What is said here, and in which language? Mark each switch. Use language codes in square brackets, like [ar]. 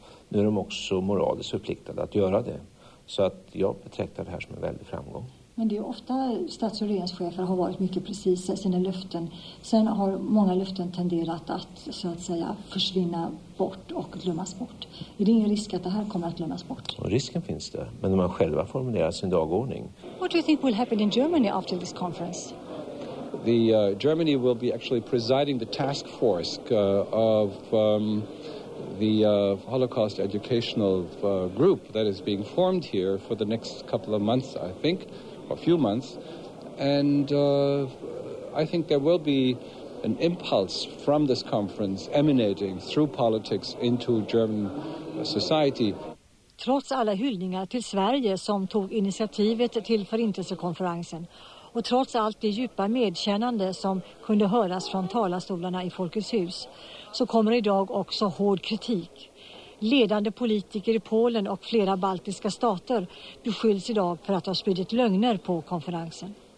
[sv] Nu är de också moraliskt förpliktade att göra det. Så att jag betraktar det här som en väldig framgång. Men det är ofta stats- och regeringschefer har varit mycket precisa i sina löften. Sen har många löften tenderat att, så att säga, försvinna bort och glömmas bort. Är det ingen risk att det här kommer att glömmas bort? Och risken finns det. Men när man själva formulerar sin dagordning. [en] What do you think will happen in Germany after this conference? The Germany will be actually presiding the task force of the Holocaust educational group that is being formed here for the next couple of months, I think, or a few months. And I think there will be an impulse from this conference emanating through politics into German society. [sv] Trots alla hyllningar till Sverige som tog initiativet till förintelsekonferensen och trots allt det djupa medkännande som kunde höras från talarstolarna i Folkets hus, så kommer idag också hård kritik. Ledande politiker i Polen och flera baltiska stater beskylls idag för att ha spridit lögner på konferensen.